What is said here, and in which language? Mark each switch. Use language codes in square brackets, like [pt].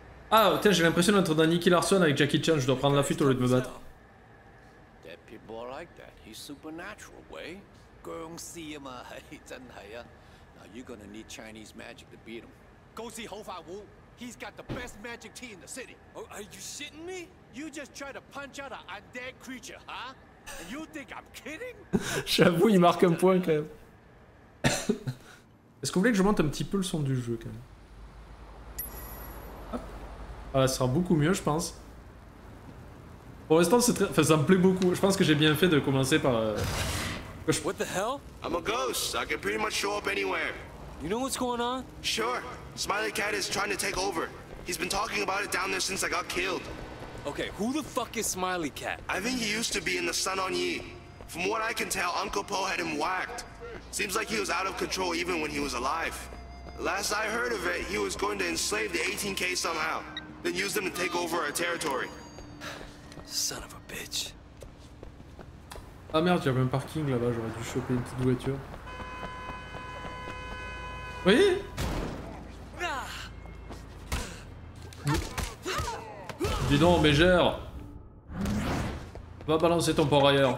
[fr] Ah, tiens, j'ai l'impression d'être dans Nicky Larson avec Jackie Chan, je dois prendre la fuite au lieu de me battre. Des gens comme ça, il est supernatural, oui. Gong si ma, c'est vrai. Maintenant, tu vas besoin de la magie chinoise pour le battre. [en] Go see Ho Fa Wu. He's got the best magic tea in the city. Oh, are you shitting me? You just try to punch out an undead creature, huh? And you think I'm kidding? [fr] J'avoue, il marque un point quand même. Est-ce que vous voulez que je monte un petit peu le son du jeu quand même? Voilà, ça sera beaucoup mieux, je pense. Pour l'instant, c'est très... enfin, ça me plaît beaucoup. Je pense que j'ai bien fait de commencer par... [en] What the hell? I'm a ghost. I can pretty much show up anywhere. You know what's going on? Sure. Smiley Cat is trying to take over. He's been talking about it down there since I got killed. Okay, who the fuck is Smiley Cat? I think he used to be in the Sun on Yi. From what I can tell, Uncle Po had him whacked. Seems like he was out of control even when he was alive. Last I heard of it, he was going to enslave the 18K somehow. Then use them to take over our territory. Son of a bitch. [fr] Ah merde, j'avais un parking là-bas, j'aurais dû choper une petite voiture. Oui? Dis donc, Bégère. Va balancer ton port ailleurs.